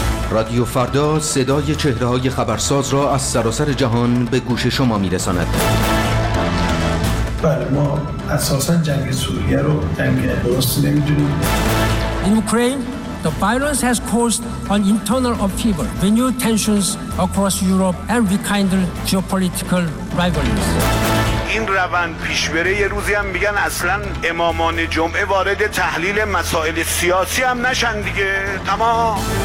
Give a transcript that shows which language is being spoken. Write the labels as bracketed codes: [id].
[fa] رادیو فردا صدای چهره‌های خبرساز را از سراسر جهان به گوش شما می‌رساند. بله، ما اساساً جنگ سوریه رو جنگ درست نمی‌دونیم. [en] In Ukraine, the violence has caused an internal upheaval, renewed tensions across Europe and rekindled geopolitical rivalries. [fa] این روند پیشبره یه روزی هم میگن اصلا امامان جمعه وارد تحلیل مسائل سیاسی هم نشن دیگه. تمام.